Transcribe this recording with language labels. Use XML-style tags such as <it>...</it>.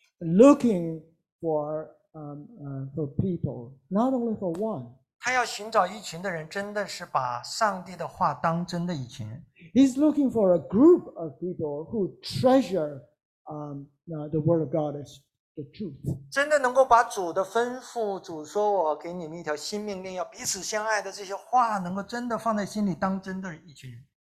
<en>Looking for people, not only for one.</en> <zh>他要寻找一群的人，真的是把上帝的话当真的一群人。</zh> <en>He's looking for a group of people who treasure the word of God as the truth.</en> <zh>真的能够把主的吩咐、主说我给你们一条新命令，要彼此相爱的这些话，能够真的放在心里当真的一群人。</zh>